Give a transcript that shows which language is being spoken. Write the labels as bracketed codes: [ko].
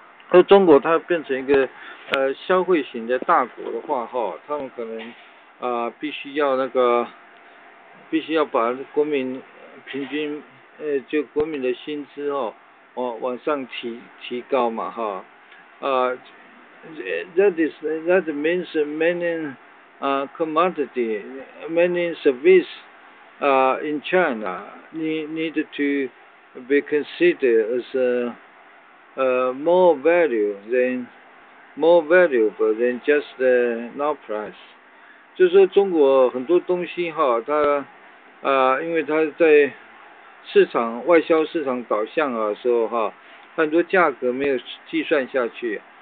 [zh] 那中国它变成一个消费型的大国的话哈，他们可能必须要那个必须要把国民平均就国民的薪资哦。往上提高嘛哈， [en] that means many commodity, many service, in China need to be considered as more valuable than just the now price. [zh] 就是说中国很多东西哈，它因为它在市场外销市场导向啊，时候哈，很多价格没有计算下去。